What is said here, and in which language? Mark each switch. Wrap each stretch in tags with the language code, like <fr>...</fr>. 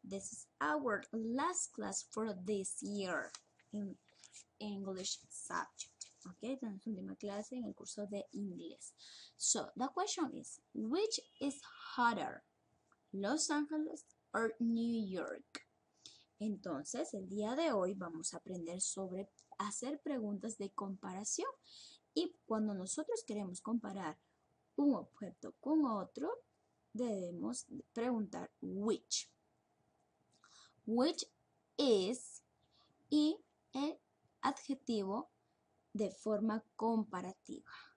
<en>This is our last class for this year in English subject.</en> <es>Okay, esta es la última clase en el curso de inglés.</es> <en>So, the question is, which is hotter, Los Angeles or New York?</en> <es>Entonces, el día de hoy vamos a aprender sobre hacer preguntas de comparación. Y cuando nosotros queremos comparar un objeto con otro, debemos preguntar</es> <en>which is,</en> <es>y el adjetivo de forma comparativa.</es>